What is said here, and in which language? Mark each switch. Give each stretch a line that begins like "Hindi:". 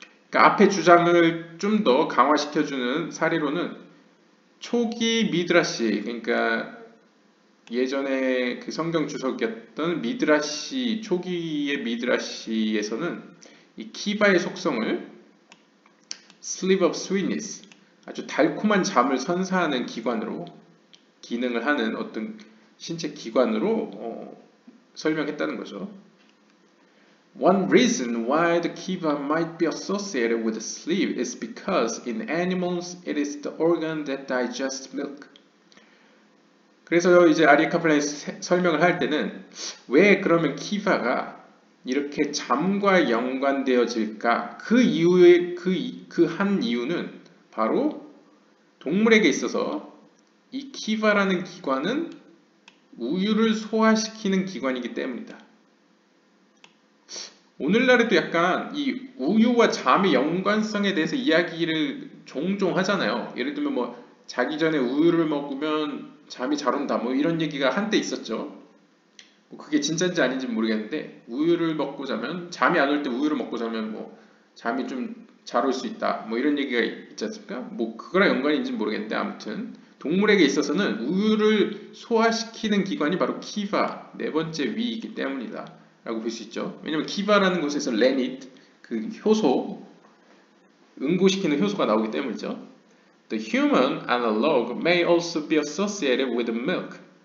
Korean: 그러니까 앞에 주장을 좀 더 강화시켜주는 사례로는 초기 미드라시, 그러니까 예전에 그 성경 주석이었던 미드라시, 초기의 미드라시에서는 이 kiva의 속성을 sleep of sweetness, 아주 달콤한 잠을 선사하는 기관으로 기능을 하는 어떤 신체 기관으로 설명했다는 거죠.
English: One reason why the kiva might be associated with sleep is because in animals it is the organ that digests milk.
Korean: 그래서 이제 아리 카플레인 설명을 할 때는 왜 그러면 kiva가 이렇게 잠과 연관되어질까? 그 이유는 바로 동물에게 있어서 이 키바라는 기관은 우유를 소화시키는 기관이기 때문이다. 오늘날에도 약간 이 우유와 잠의 연관성에 대해서 이야기를 종종 하잖아요. 예를 들면 뭐 자기 전에 우유를 먹으면 잠이 잘 온다 뭐 이런 얘기가 한때 있었죠. 뭐 그게 진짜인지 아닌지 모르겠는데 우유를 먹고 자면 잠이 안 올 때 우유를 먹고 자면 뭐 잠이 좀 잘 올 수 있다 뭐 이런 얘기가 있지 않습니까? 뭐 그거랑 연관인지는 모르겠는데 아무튼 동물에게 있어서는 우유를 소화시키는 기관이 바로 키바, 네 번째 위이기 때문이다 라고 볼 수 있죠. 왜냐면 키바라는 곳에서 레닛, 그 효소, 응고시키는 효소가 나오기 때문이죠.
English: The human analog may also be associated with milk.